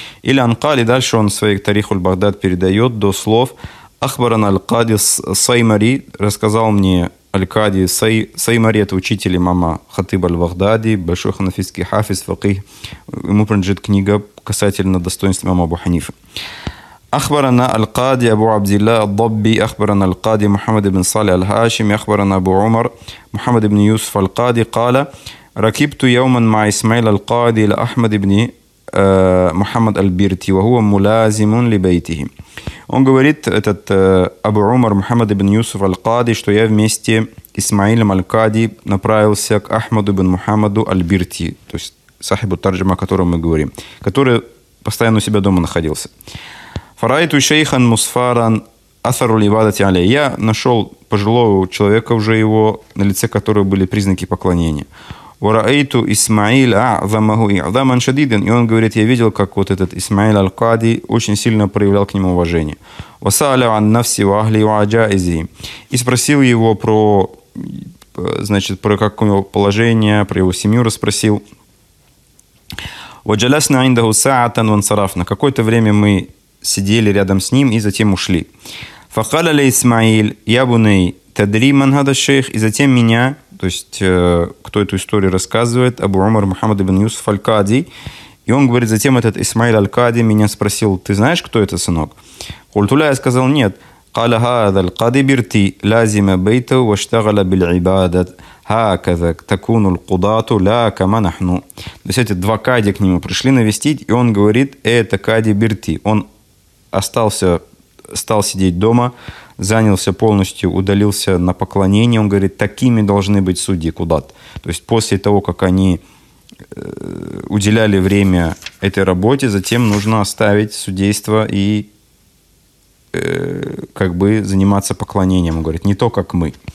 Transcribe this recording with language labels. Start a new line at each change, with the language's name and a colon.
Russian: Или Анкали, дальше он свой тарих аль-Багдад передает до слов
Arabic: «Ахбаран аль-Кади Саймари»,
Russian: рассказал мне аль-Кади Саймари, это учитель имама Хатиб аль-Багдади, большой ханафистский хафиз, факих, ему принадлежит книга касательно достоинства имама Абу Ханифы.
Arabic: أخبرنا القاضي أبو عبد الله الضبي أخبرنا القاضي محمد بن صالح الهاشمي أخبرنا أبو عمر محمد بن يوسف القاضي قال ركبت يوما مع إسماعيل القاضي لأحمد بن محمد البيرتي وهو ملازم لبيته.
Russian: Он говорит, этот Абу Умар Мухаммад ибн Юсуф аль-Кади, что я вместе с Исмаилом аль-Кади направился к Ахмаду ибн Мухаммаду аль-Бирти, то есть сахибу тарджима, о котором мы говорим, который постоянно у себя дома находился.
Arabic: فرأيت شيخا مصفارا أثر العبادة عليه.
Russian: Я нашел пожилого человека уже его на лице которого были признаки поклонения.
Arabic: ورأيت إسماعيل أعظمه إعظاما شديدا.
Russian: И он говорит, я видел, как вот этот Исмаил аль-Кади очень сильно проявлял к нему уважение.
Arabic: وسأل عن نفسه وأهله وعجائزه.
Russian: И спросил его про, значит, про какое его положение, про его семью расспросил.
Arabic: وجلسنا عنده ساعة وانصرفنا.
Russian: Какое-то время мы сидели рядом с ним и затем ушли.
Arabic: فقال لي إسماعيل يا بني تدري من هذا الشيخ.
Russian: И затем меня, то есть кто эту историю рассказывает, Абу Умар Мухаммад ибн Юсуф аль-Кади. И он говорит, затем этот Исмаил аль-Кади меня спросил, ты знаешь, кто это, сынок?
Arabic: Хультуля,
Russian: я сказал, нет.
Arabic: قال هذا القاضي بيرتي لازم بيته واشتغل بالعبادة «Хаказа такуну лкудату ля каманахну».
Russian: То есть эти два кади к нему пришли навестить, и он говорит: «Это кади бирти». Он остался, стал сидеть дома, занялся полностью, удалился на поклонение. Он говорит: «Такими должны быть судьи кудат». То есть после того, как они уделяли время этой работе, затем нужно оставить судейство и как бы заниматься поклонением. Он говорит, не то, как мы.